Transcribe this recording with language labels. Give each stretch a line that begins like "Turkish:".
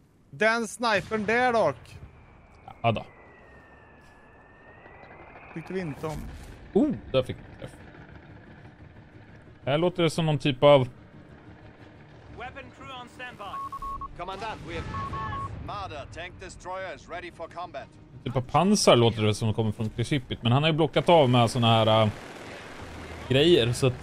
Swedish: Den snipern där dock. Ja då. Tyckte vi inte om. Oh, där fick vi. Här låter det som någon typ av.
English: Weapon crew on standby. Commandant, we have Marder, tank destroyer is ready for combat.
Swedish: Typ av pansar låter det som de kommer från Krishippit, men han har ju blockat av med såna här grejer, så att